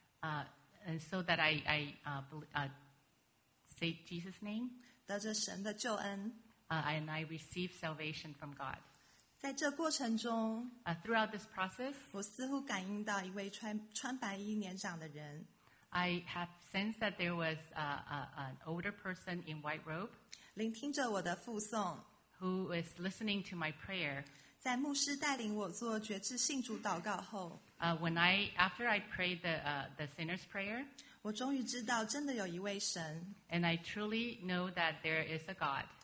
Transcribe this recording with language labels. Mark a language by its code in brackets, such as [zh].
[en] And so that I say Jesus' name. [zh] 得着神的救恩。 [en] And I receive salvation from God. [zh] 在这过程中。 [en] Throughout this process. [zh] 我似乎感应到一位穿白衣年长的人。 [en] I have sensed that there was an older person in white robe. [zh] 聆听着我的附送。 [en] Who is listening to my prayer. [zh] 在牧师带领我做决志信主祷告后。 [en] After I prayed the sinner's prayer, [zh] 我终于知道真的有一位神。 [en] And I truly know that there is a God.